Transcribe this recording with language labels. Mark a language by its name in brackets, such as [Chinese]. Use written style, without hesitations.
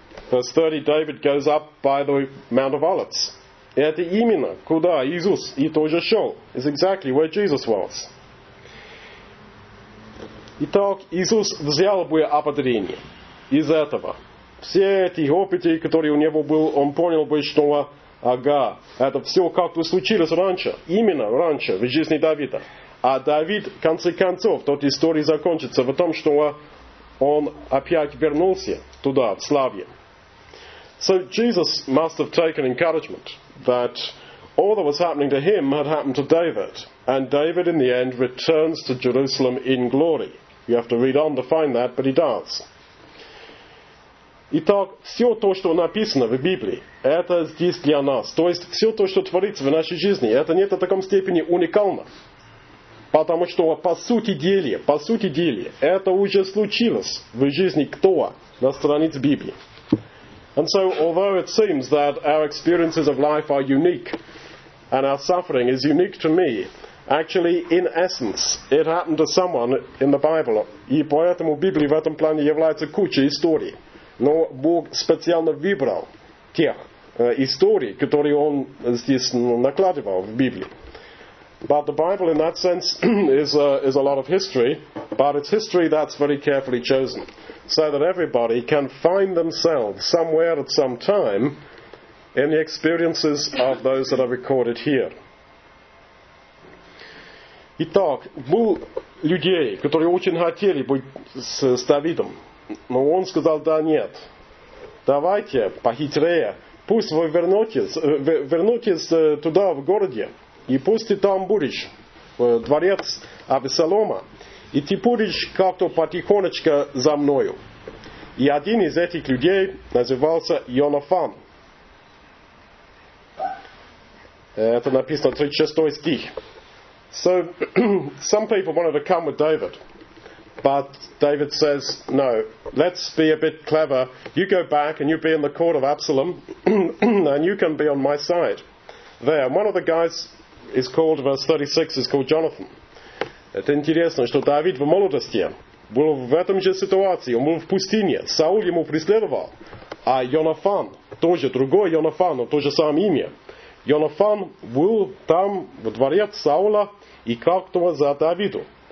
[English] Verse 30, David goes up by the Mount of Olives. [Russian] Это именно куда Иисус и тоже шел. [English] It's exactly where Jesus was. [Russian] Итак, Иисус взял бы ободрение из этого. Все эти опыты, которые у него были, он понял бы, что... Ага, это все как-то случилось раньше, именно раньше, в жизни Давида. А Давид, в конце концов, тот историй закончится в том, что он опять вернулся туда, в славе. [English] So Jesus must have taken encouragement that all that was happening to him had happened to David. And David, in the end, returns to Jerusalem in glory. You have to read on to find that, but he does. [Russian] Итак, все то, что написано в Библии, это здесь для нас. То есть, все то, что творится в нашей жизни, это не в таком степени уникально. Потому что, по сути дела, это уже случилось в жизни кто на странице Библии. [English] And so, although it seems that our experiences of life are unique, and our suffering is unique to me, actually, in essence, it happened to someone in the Bible. [Russian] И поэтому Библия в этом плане является кучей историй. Но Бог специально выбрал тех историй, которые Он здесь накладывал в Библии. [English] But the Bible in that sense is a lot of history, but it's history that's very carefully chosen, so that everybody can find themselves somewhere at some time in the experiences of those that are recorded here. [Russian] Итак, был людей, которые очень хотели быть с Давидом. Но он сказал, да, нет. Давайте похитрее. Пусть вы вернетесь туда, в городе. И пусть ты там будешь, в дворец Абисалома. И ты будешь как-то потихонечку за мною. И один из этих людей назывался Йонафан. Это написано 36 стих. [English] So, some people wanted to come with David. But David says, no, let's be a bit clever. You go back and you be in the court of Absalom, and you can be on my side. There, one of the guys is called, verse 36, is called Jonathan. [Russian] Это интересно, что Давид в молодости был в этом же ситуации. Он был в пустыне. Саул ему преследовал. А Йонафан, тоже другой Йонафан, но то же самое имя. Йонафан был там, в дворец Саула, и как-то за Давиду.